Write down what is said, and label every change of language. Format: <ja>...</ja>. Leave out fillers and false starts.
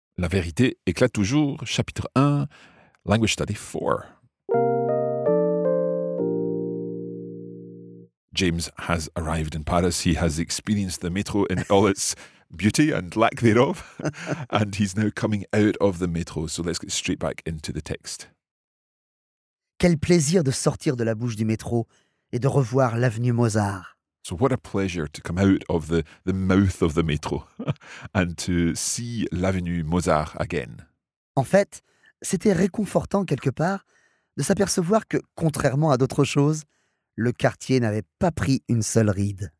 <fr>La vérité éclate toujours, chapitre 1,</fr> <en>Language Study 4. James has arrived in Paris. He has experienced the métro in all its beauty and lack thereof. And he's now coming out of the métro. So let's get straight back into the text.</en> <fr>Quel plaisir de sortir de la bouche du métro et de revoir l'avenue Mozart.</fr> <en>So what a pleasure to come out of the mouth of the métro and to see l'avenue Mozart again.</en> <fr>En fait, c'était réconfortant quelque part de s'apercevoir que, contrairement à d'autres choses, le quartier n'avait pas pris une seule ride.</fr>